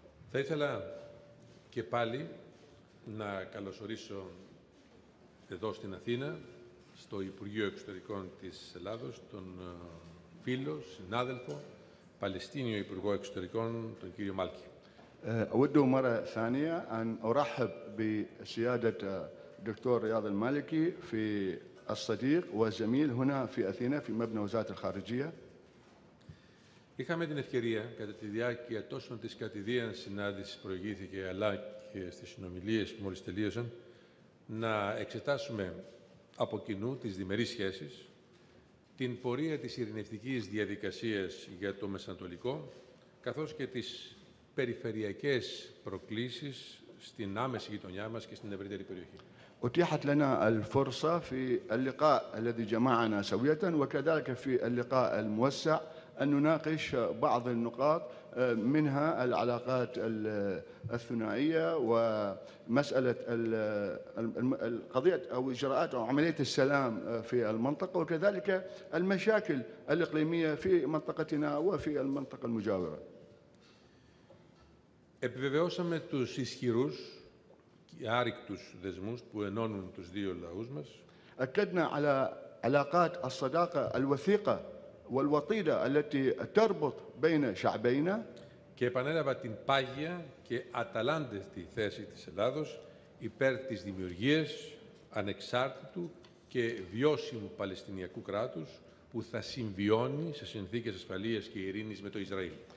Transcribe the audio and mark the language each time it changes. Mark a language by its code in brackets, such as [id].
[el] Θα ήθελα και πάλι να καλωσορίσω εδώ στην Αθήνα, στο Υπουργείο Εξωτερικών της Ελλάδος, τον φίλο, συνάδελφο, Παλαιστίνιο Υπουργό Εξωτερικών, τον κύριο Μάλκη. [ar] أود مرة ثانية أن أرحب بسيادة الدكتور رياض المالكي في الصديق والزميل هنا في أثينا في مبنى وزارة الخارجية. [el] Είχαμε την ευκαιρία κατά τη διάρκεια τόσο της κατηδίαν συνάντησης που προηγήθηκε αλλά και στις συνομιλίες που μόλις τελείωσαν να εξετάσουμε από κοινού τις διμερείς σχέσεις, την πορεία της ειρηνευτικής διαδικασίας για το Μεσανατολικό, καθώς και τις περιφερειακές προκλήσεις στην άμεση γειτονιά μας και στην ευρύτερη περιοχή. [ar] أتيحت لنا الفرصة في اللقاء الذي جمعنا سوية وكذلك في اللقاء الموسع أن نناقش بعض النقاط منها العلاقات الثنائية ومسألة القضية أو إجراءات أو عملية السلام في المنطقة وكذلك المشاكل الإقليمية في منطقتنا وفي المنطقة المجاورة. [el] Επιβεβαιώσαμε τους ισχυρούς και άρρηκτους δεσμούς που ενώνουν τους δύο λαούς μας. [ar] Ακέντνα αλλά αλλαγάτ ασσαδάκα αλουαθήκα والوطيده التي تربط بين شعبينا [el] και επανέλαβα την πάγια και αταλάντευτη θέση της Ελλάδος υπέρ της δημιουργίας ανεξάρτητου και βιώσιμου Παλαιστινιακού κράτους που θα συμβιώνει σε συνθήκες ασφαλείας και ειρήνης με το Ισραήλ.